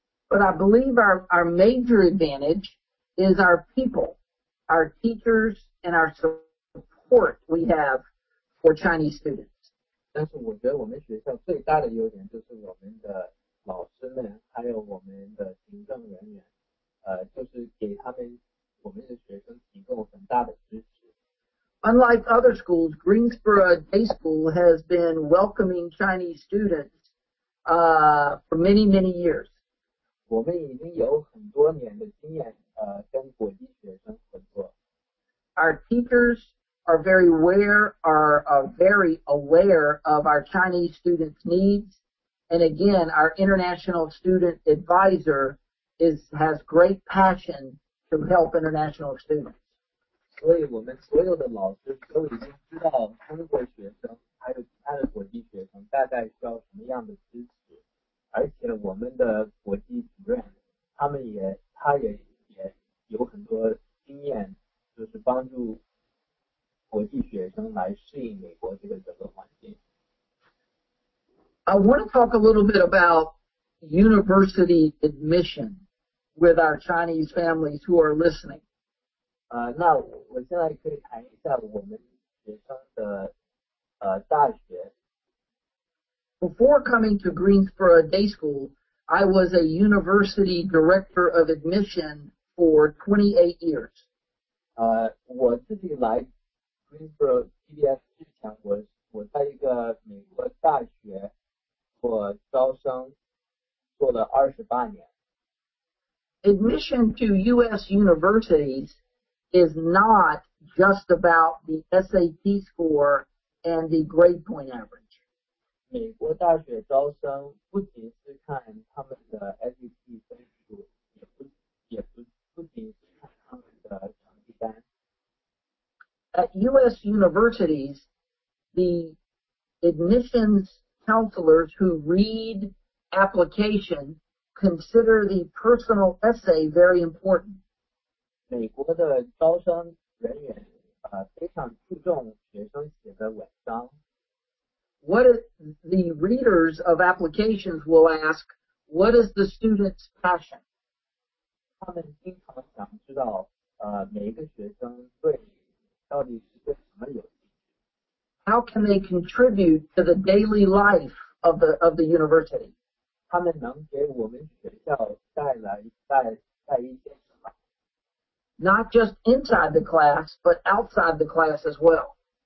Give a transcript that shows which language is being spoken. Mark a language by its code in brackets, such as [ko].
[en] But I believe our major advantage is our people, our teachers, and our support we have for Chinese students. [zh] 但是我觉得我们学校最大的优点就是我们的。老师们还有我们的行政人员就是给他们我们的学生提供很大的支持。 [en] Unlike other schools, Greensboro Day School has been welcoming Chinese students for many, many years. [zh] 我们已经有很多年的经验跟国际学生合作。 [en] Our teachers are very aware of our Chinese students' needs. And again, our international student advisor has great passion to help international students. [zh] 所以我们所有的老师都已经知道中国学生还有其他的国际学生大概需要什么样的支持，而且我们的国际主任他也有很多经验，就是帮助国际学生来适应美国这个整个环境。 [en] I want to talk a little bit about university admission with our Chinese families who are listening. [zh] 那我现在可以谈一下我们学生的大学。 [en] Before coming to Greensboro Day School, I was a university director of admission for 28 years. [zh] 我自己来 Greensboro PBS 之前，我在一个美国大学做招生做了28年。 [en] Admission to U.S. universities is not just about the SAT score and the grade point average. [zh] 美国大学招生不仅是看他们的 SAT 分数，也不仅是看他们的成绩单。 [en] At U.S. universities, the admissions counselors who read application consider the personal essay very important. [zh] 美国的招生人员非常注重学生写的文章。 [en] What is, the readers of applications will ask, what is the student's passion? [zh] 他们经常想知道每一个学生对到底是对什么有兴趣。 [en] How can they contribute to the daily life of the university? [zh] 他们能给我们学校带一些什么。 [en] Not just inside the class, but outside the class as well.